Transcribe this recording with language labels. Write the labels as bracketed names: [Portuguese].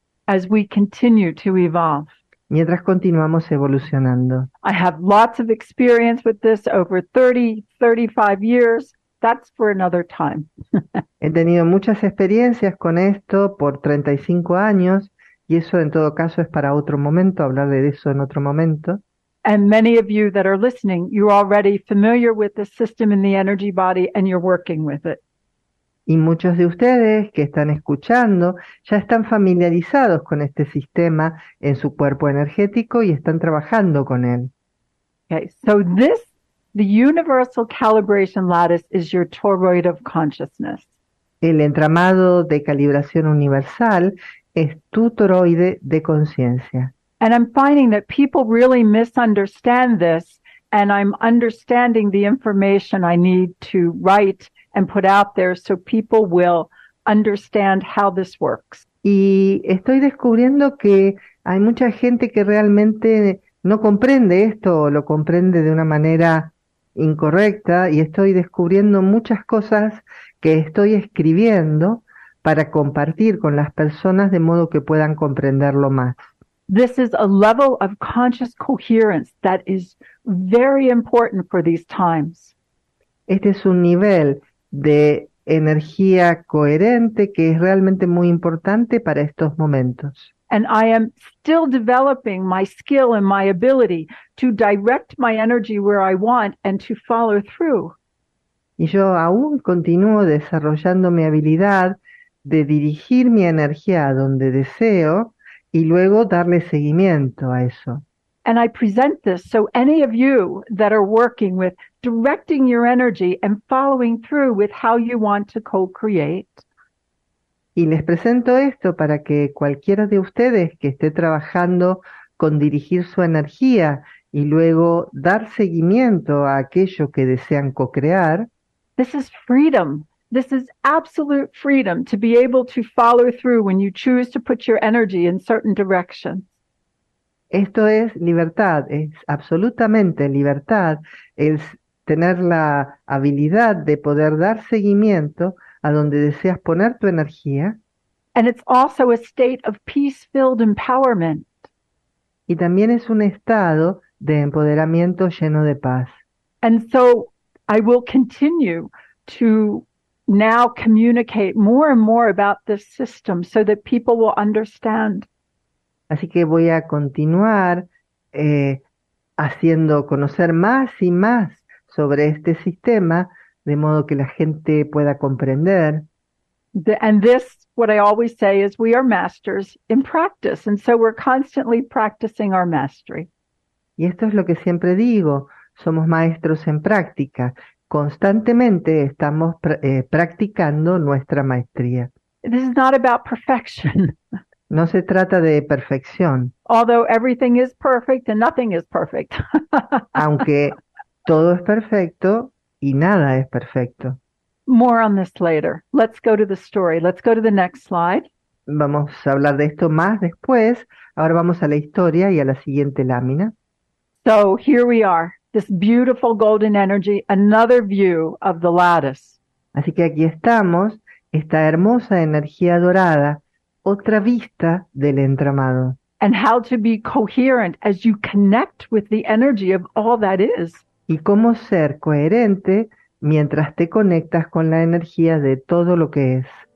[English] As we continue to evolve, [Spanish] mientras continuamos evolucionando. [English] I have lots of experience with this over 30, 35 years. That's for another time. [Spanish] He tenido muchas experiencias con esto por 35 años y eso en todo caso es para otro momento, hablar de eso en otro momento. [English] And many of you that are listening, you're already familiar with the system in the energy body and you're working with it. [Spanish] Y muchos de ustedes que están escuchando ya están familiarizados con este sistema en su cuerpo energético y están trabajando con él. [English] Okay, so this, the universal calibration lattice is your toroid of consciousness. [Spanish] El entramado de calibración universal es tu toroide de conciencia. [English] And I'm finding that people really misunderstand this, and I'm understanding the information I need to write and put out there so people will understand how this works. [Spanish] Y estoy descubriendo que hay mucha gente que realmente no comprende esto o lo comprende de una manera incorrecta y estoy descubriendo muchas cosas que estoy escribiendo para compartir con las personas de modo que puedan comprenderlo más. [English] This is a level of conscious coherence that is very important for these times. [Spanish] Este es un nivel de energía coherente que es realmente muy importante para estos momentos. [English] And I am still developing my skill and my ability to direct my energy where I want and to follow through. [Spanish] Y yo aún continúo desarrollando mi habilidad de dirigir mi energía a donde deseo y luego darle seguimiento a eso. [English] And I present this so any of you that are working with directing your energy and following through with how you want to co-create. [Spanish] Y les presento esto para que cualquiera de ustedes que esté trabajando con dirigir su energía y luego dar seguimiento a aquello que desean co-crear, [English] This is freedom. This is absolute freedom to be able to follow through when you choose to put your energy in certain directions. [Spanish] esto es libertad, es absolutamente libertad, es tener la habilidad de poder dar seguimiento a donde deseas poner tu energía. [English] And it's also a state of peace-filled empowerment. [Spanish] Y también es un estado de empoderamiento lleno de paz. [English] And so I will continue to now communicate more and more about this system so that people will understand. [Spanish] Así que voy a continuar haciendo conocer más y más sobre este sistema, de modo que la gente pueda comprender. [English] And this, what I always say, is we are masters in practice, and so we're constantly practicing our mastery. [Spanish] Y esto es lo que siempre digo, somos maestros en práctica. Constantemente estamos practicando nuestra maestría. [English] This is not about perfection. [Spanish] No se trata de perfección. [English] Although everything is perfect and nothing is perfect. [Spanish] Aunque todo es perfecto y nada es perfecto. [English] More on this later. Let's go to the story. Let's go to the next slide. [Spanish] Vamos a hablar de esto más después. Ahora vamos a la historia y a la siguiente lámina. [English] So here we are. This beautiful golden energy, another view of the lattice. [Spanish] Así que aquí estamos, esta hermosa energía dorada, otra vista del entramado. [English] And how to be coherent as you connect with the energy of all that is. [Spanish] Y cómo ser coherente mientras te conectas con la energía de todo lo que es.